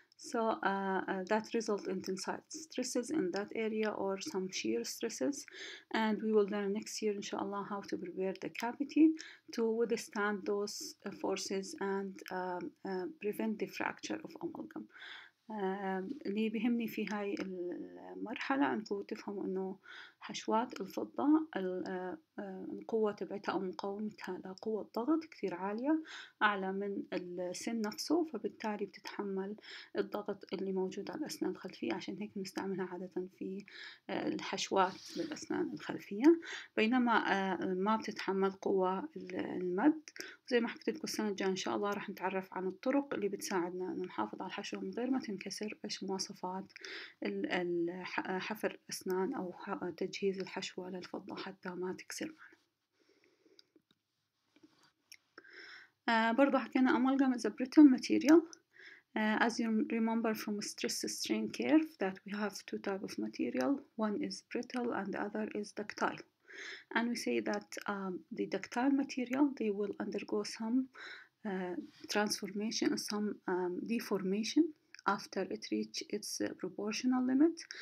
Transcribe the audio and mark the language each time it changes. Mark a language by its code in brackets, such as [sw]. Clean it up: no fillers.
[en] So that result in tensile stresses in that area or some shear stresses, and we will learn next year inshallah how to prepare the cavity to withstand those forces and prevent the fracture of amalgam. [ar] اللي بهمني في هاي المرحلة أنكم تفهموا إنه حشوات الفضة القوة تبعتها أو مقاومتها لقوة الضغط كثير عالية أعلى من السن نفسه، فبالتالي بتتحمل الضغط اللي موجود على الأسنان الخلفية، عشان هيك نستعملها عادة في الحشوات للأسنان الخلفية، بينما ما بتتحمل قوة المد. زي ما حكيت لكم السنة الجاية إن شاء الله راح نتعرف عن الطرق اللي بتساعدنا إنه نحافظ على الحشوة من غير ما تنكسر، إيش مواصفات حفر أسنان أو تجهيز الحشوة للفضة حتى ما تكسر معنا. برضو حكينا [en] amalgam is a brittle material. As you remember from stress strain curve that we have two types of material. One is brittle and the other is ductile. And we say that the ductile material, they will undergo some transformation, some deformation after it reach its proportional limit.